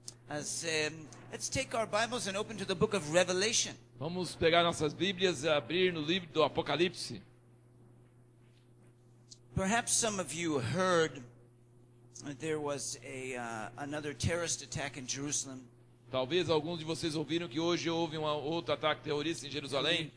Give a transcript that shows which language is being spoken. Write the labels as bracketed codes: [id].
[en] Let's take our Bibles and open to the book of Revelation. [pt] Vamos pegar nossas Bíblias e abrir no livro do Apocalipse. [en] Perhaps some of you heard there was another terrorist attack in Jerusalem. [pt] Talvez alguns de vocês ouviram que hoje houve um outro ataque terrorista em Jerusalém.